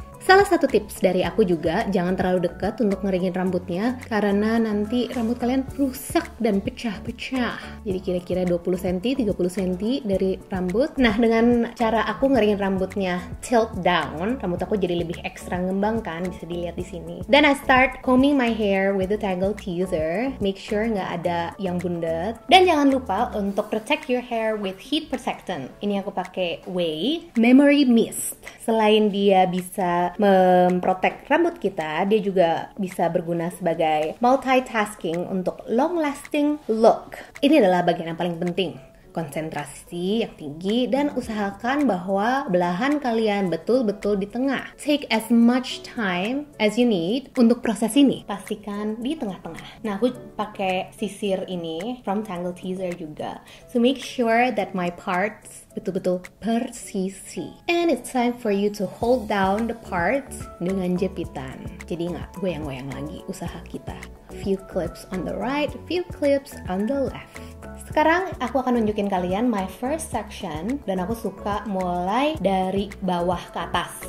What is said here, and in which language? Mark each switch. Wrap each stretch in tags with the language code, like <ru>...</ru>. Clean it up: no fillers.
<id>Salah satu tips dari aku juga, jangan terlalu dekat untuk ngeringin rambutnya, karena nanti rambut kalian rusak dan pecah-pecah. Jadi kira-kira 20 cm, 30 cm dari rambut. Nah, dengan cara aku ngeringin rambutnya</id> <en>tilt down,</en> <id>rambut aku jadi lebih ekstra ngembang kan, bisa dilihat di sini.</id> <en>Then I start combing my hair with a tangle teaser. Make sure</en> <id>nggak ada yang bundet. Dan jangan lupa untuk</id> <en>protect your hair with heat protectant.</en> <id>Ini aku pakai Way Memory Mist. Selain dia bisa memprotek rambut kita, dia juga bisa berguna sebagai multitasking untuk</id> <en>long lasting look.</en> <id>Ini adalah bagian yang paling penting. Konsentrasi yang tinggi dan usahakan bahwa belahan kalian betul-betul di tengah.</id> <en>Take as much time as you need</en> <id>untuk proses ini. Pastikan di tengah-tengah. Nah, aku pakai sisir ini from Tangle Teaser juga.</id> <en>So make sure that my parts</en> <id>betul-betul</id> <en>per CC. And it's time for you to hold down the parts</en> <id>dengan jepitan. Jadi nggak goyang-goyang lagi usaha kita.</id> <en>Few clips on the right, few clips on the left.</en> <id>Sekarang aku akan nunjukin kalian</id> <en>my first section,</en> <id>dan aku suka mulai dari bawah ke atas.</id>